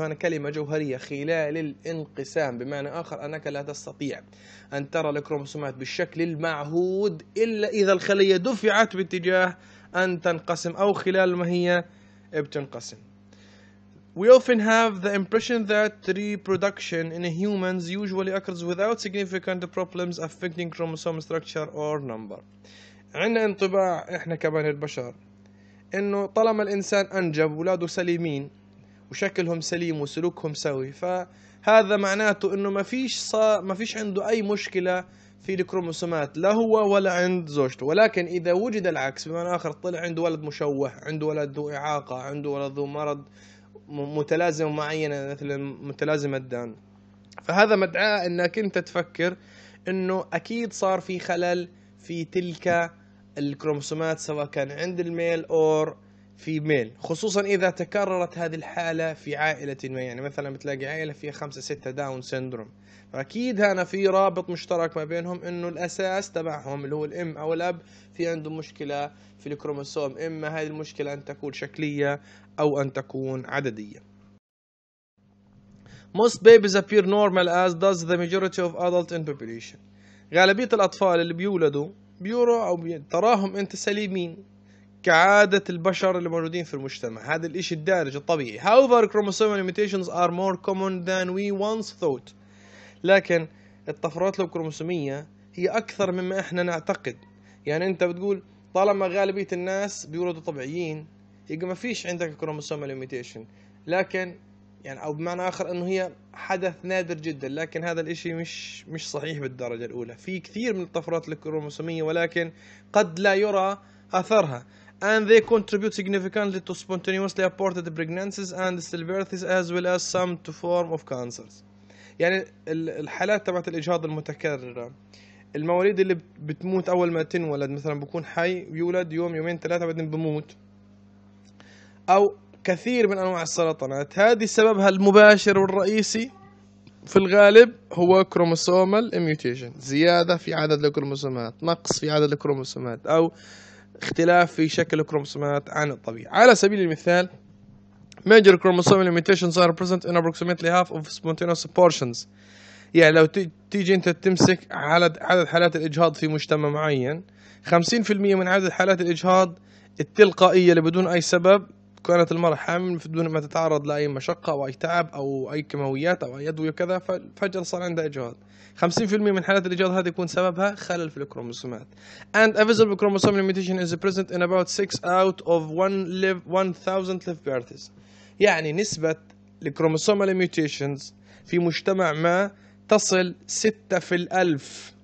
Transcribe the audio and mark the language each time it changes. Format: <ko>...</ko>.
<ar>هنا كلمة جوهرية، خلال الانقسام، بمعنى آخر أنك لا تستطيع أن ترى الكروموسومات بالشكل المعهود إلا إذا الخلية دفعت باتجاه أن تنقسم أو خلال ما هي بتنقسم.</ar> <en>We often have the impression that reproduction in humans usually occurs without significant problems affecting chromosome structure or number.</en> <ar>عندنا انطباع احنا كبني البشر انه طالما الانسان انجب ولاده سليمين وشكلهم سليم وسلوكهم سوي، فهذا معناته انه ما فيش عنده اي مشكلة في الكروموسومات لا هو ولا عند زوجته. ولكن اذا وجد العكس، بمعنى اخر طلع عنده ولد مشوه، عنده ولد ذو اعاقة، عنده ولد ذو مرض متلازمة معينة مثل متلازمة الدان، فهذا مدعاة انك انت تفكر انه اكيد صار في خلل في تلك الكروموسومات سواء كان عند الميل او في ميل، خصوصا اذا تكررت هذه الحالة في عائلة ما. يعني مثلا بتلاقي عائلة فيها 5-6 داون سيندروم، فاكيد هنا في رابط مشترك ما بينهم انه الاساس تبعهم اللي هو الام او الاب في عنده مشكلة في الكروموسوم، اما هذه المشكلة ان تكون شكلية أو أن تكون عددية.</ar> <en>Most babies appear normal as does the majority of adults in population.</en> <ar>غالبية الأطفال اللي بيولدوا بيروا أو تراهم أنت سليمين كعادة البشر اللي موجودين في المجتمع. هذا الإشي الدارج الطبيعي.</ar> <en>However, chromosomal mutations are more common than we once thought.</en> <ar>لكن الطفرات الكروموسومية هي أكثر مما إحنا نعتقد. يعني أنت بتقول طالما غالبية الناس بيولدوا طبيعيين يبقى ما فيش عندك كروموسومال ميوتيشن، لكن يعني او بمعنى اخر انه هي حدث نادر جدا، لكن هذا الاشي مش صحيح بالدرجه الاولى. في كثير من الطفرات الكروموسوميه ولكن قد لا يرى اثرها.</ar> <en>And they contribute significantly to spontaneously aborted pregnancies and stillbirths as well as some to form of cancers.</en> <ar>يعني الحالات تبعت الاجهاض المتكرره، المواليد اللي بتموت اول ما تنولد، مثلا بكون حي يولد يوم يومين ثلاثه بعدين بموت، أو كثير من أنواع السرطانات، هذه سببها المباشر والرئيسي في الغالب هو كروموسومال ميوتيشن، زيادة في عدد الكروموسومات، نقص في عدد الكروموسومات، أو اختلاف في شكل الكروموسومات عن الطبيعي. على سبيل المثال</ar> <en>major chromosomal mutations are present in approximately half of spontaneous portions.</en> <ar>يعني لو تيجي أنت تمسك عدد حالات الإجهاض في مجتمع معين، 50% من عدد حالات الإجهاض التلقائية اللي بدون أي سبب كانت المرأة حامل بدون ما تتعرض لأي مشقة أو أي تعب أو أي كيماويات أو أي أدوية كذا، ففجأة صار عندها إجهاض. 50% من حالات الإجهاض هذه يكون سببها خلل في الكروموسومات.</ar> <en>And a visible chromosomal mutation is present in about 6 out of 1,000 live births.</en> <ar>يعني نسبة الكروموسومال mutations في مجتمع ما تصل 6 في 1,000.</ar>